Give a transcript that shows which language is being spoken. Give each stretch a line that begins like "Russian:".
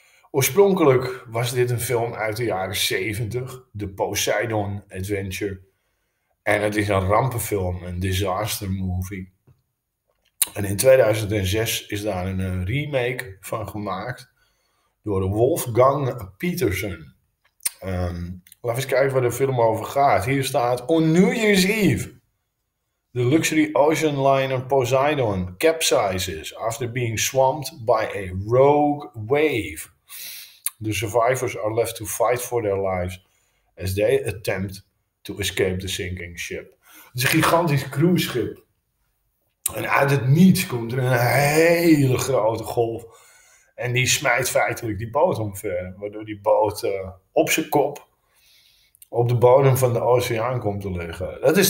Dutch: Oorspronkelijk was dit een film uit de jaren 70, de Poseidon Adventure. En het is een rampenfilm, een disaster movie. En in 2006 is daar een remake van gemaakt door Wolfgang Petersen. Laten we eens kijken waar de film over gaat. Hier staat:
English: On New Year's Eve, the luxury ocean liner Poseidon capsizes after being swamped by a rogue wave. The survivors are left to fight for their lives as they attempt to escape the sinking ship.
Dutch: Het is een gigantisch cruiseschip. En uit het niets komt er een hele grote golf. En die smijt feitelijk die boot omver. Waardoor die boot op zijn kop op de bodem van de oceaan komt te liggen.